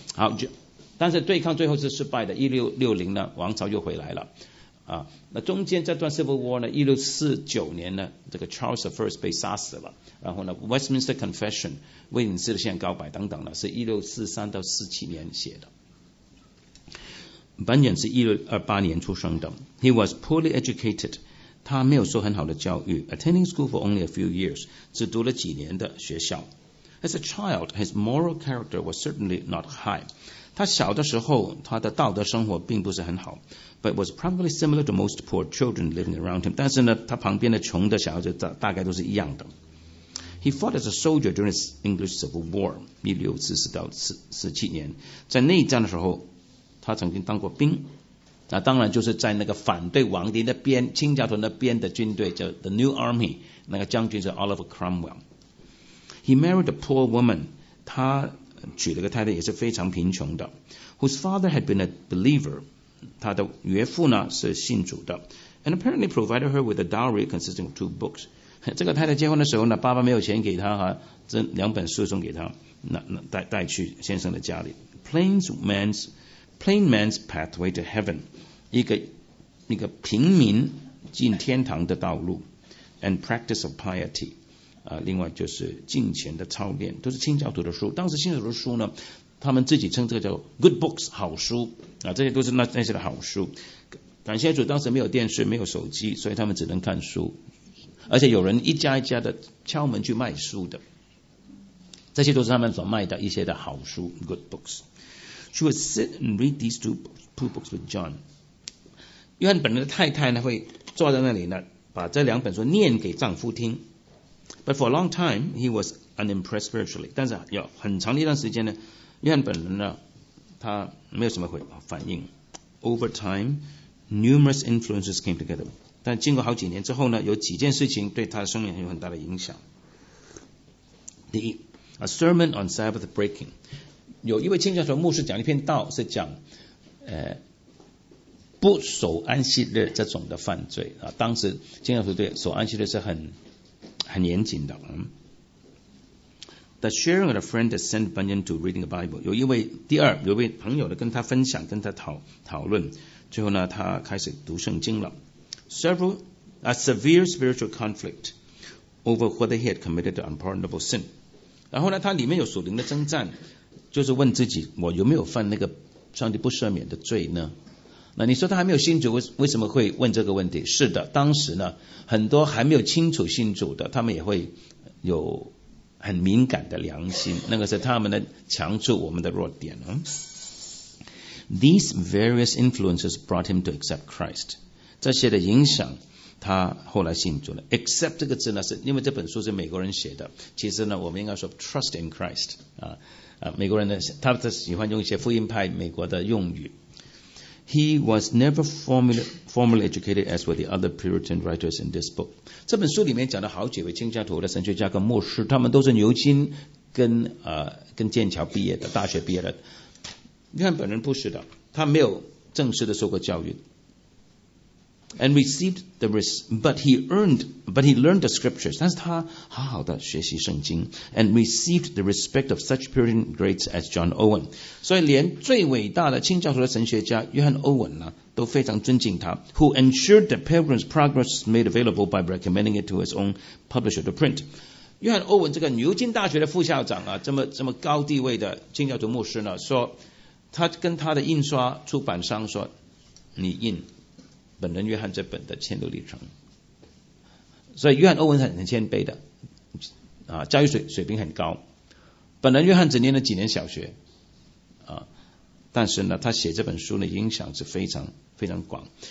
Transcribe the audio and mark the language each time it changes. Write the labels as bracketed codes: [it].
[zh] 好，但是对抗最后是失败的。1660呢，王朝又回来了啊。那中间这段 civil war 呢，1649年呢，这个 Charles I 被杀死了。然后呢 ，Westminster Confession 威廉斯的宪告白等等呢，是1643到1647年写的。 Bunyan 是1628年出生的 ， [en] He was poorly educated。 [zh] 他没有受很好的教育 ， [en] attending school for only a few years， [zh] 只读了几年的学校。 [en] As a child, his moral character was certainly not high。 [zh] 他小的时候，他的道德生活并不是很好 ， [en] but was probably similar to most poor children living around him。 [zh] 但是呢，他旁边的穷的小孩子大概都是一样的。 [en] He fought as a soldier during the English Civil War， [zh] 1644到1647年，在内战的时候，他曾经当过兵。那当然就是在那个反对王帝那边清教徒那边的军队叫 The New Army， 那个将军是 Oliver Cromwell。 [en] He married a poor woman， [zh] 他娶了个太太也是非常贫穷的， [en] whose father had been a believer， [zh] 他的岳父呢是信主的， [en] and apparently provided her with a dowry consisting of two books。 [zh] 这个太太结婚的时候呢，爸爸没有钱给她哈，这两本书送给她，带去先生的家里。 [en] Plain man's pathway to heaven， [zh] 一个平民进天堂的道路 ， [en] and practice of piety， [zh] 另外就是敬虔的操练，都是清教徒的书。当时清教徒的书呢，他们自己称这个叫 good books 好书啊，这些都是那些的好书。感谢主，当时没有电视，没有手机，所以他们只能看书，而且有人一家一家的敲门去卖书的，这些都是他们所卖的一些的好书 good books。 [en] She would sit and read these two books with John. [zh] 约翰本人的太太呢，会坐在那里呢，把这两本书念给丈夫听。 [en] But for a long time, he was unimpressed spiritually. [zh] 但是有很长的一段时间呢，约翰本人呢，他没有什么反应。 [en] Over time, numerous influences came together. [zh] 但经过好几年之后呢，有几件事情对他的生命有很大的影响。第一 ， [en] a sermon on Sabbath breaking. [zh] 有一位清教徒牧师讲一篇道，是讲，不守安息日这种的犯罪啊。当时清教徒对守安息日是很严谨的。 [en] The sharing of a friend that sent Bunyan to reading the Bible， [zh] 有一位朋友的跟他分享，跟他讨论，最后呢，他开始读圣经了。 [en] A severe spiritual conflict over whether he had committed an unpardonable sin。 [zh] 然后呢，他里面有属灵的征战。就是问自己，我有没有犯那个上帝不赦免的罪呢？那你说他还没有信主，为什么会问这个问题？是的，当时呢，很多还没有清楚信主的，他们也会有很敏感的良心，那个是他们的强处，我们的弱点。 [en] These various influences brought him to accept Christ. [zh] 这些的影响他后来信主了。Accept 这个字呢，是因为这本书是美国人写的，其实呢，我们应该说 [en] Trust in Christ [zh] 啊。美国人呢，他喜欢用一些福音派美国的用语。 [en] He was never formally educated as were the other Puritan writers in this book。 [zh] 这本书里面讲了好几位清教徒的神学家跟牧师，他们都是牛津跟剑桥毕业的，大学毕业的。约翰本人不是的，他没有正式的受过教育。 [en] And received the risk, but he learned the scriptures. [zh] 但是他好好的学习圣经 [en] ，and received the respect of such Puritan greats as John Owen. [zh] 所以连最伟大的清教徒的神学家约翰·欧文呢，都非常尊敬他。 [en] Who ensured that Pilgrim's Progress was made available by recommending it to his own publisher to print. [zh] 约翰欧文这个牛津大学的副校长啊，这么高地位的清教徒牧师呢，说他跟他的印刷出版商说，你印本人约翰这本的迁都历程。所以约翰欧文很谦卑的啊，教育水平很高，本人约翰只念了几年小学啊，但是呢他写这本书的影响是非常非常广。